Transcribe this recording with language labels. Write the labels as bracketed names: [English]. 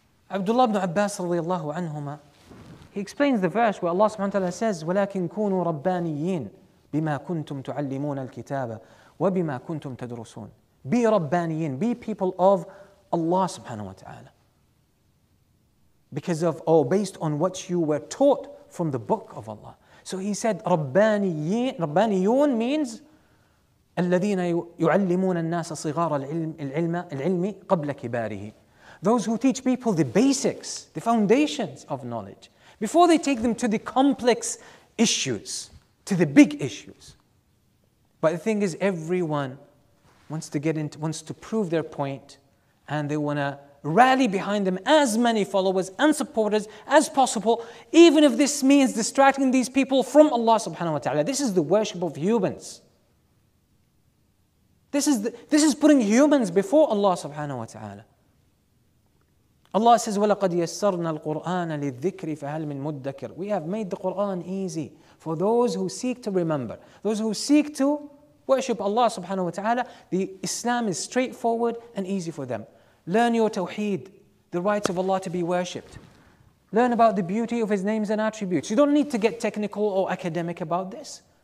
[English] Abdullah ibn Abbas radiallahu anhuma, he explains the verse where Allah subhanahu wa ta'ala says, [Arabic] وَلَكِنْ كُونُوا رَبَّانِيِّينَ بِمَا كُنْتُمْ تُعَلِّمُونَ الْكِتَابَ وَبِمَا كُنْتُمْ تَدْرُسُونَ. [English] Be Rabbaniyin, be people of Allah subhanahu wa ta'ala. Because of, or based on what you were taught from the book of Allah. So he said, Rabbaniyun means, [Arabic] الَّذِينَ يُعَلِّمُونَ النَّاسَ صِغَارَ الْعِلْمِ قَبْلَ كِبَارِهِ. [English] Those who teach people the basics, the foundations of knowledge, before they take them to the complex issues, to the big issues. But the thing is, everyone wants to get into, wants to prove their point, and they want to rally behind them as many followers and supporters as possible, even if this means distracting these people from Allah subhanahu wa ta'ala. This is the worship of humans. This is putting humans before Allah subhanahu wa ta'ala. Allah says, [Arabic] وَلَقَدْ يَسَّرْنَا الْقُرْآنَ لِلذِّكْرِ فَهَلْ مِنْ مُدَّكِرٍ. [English] We have made the Qur'an easy for those who seek to remember, those who seek to worship Allah subhanahu wa ta'ala. The Islam is straightforward and easy for them. Learn your tawheed, the rights of Allah to be worshipped. Learn about the beauty of His names and attributes. You don't need to get technical or academic about this.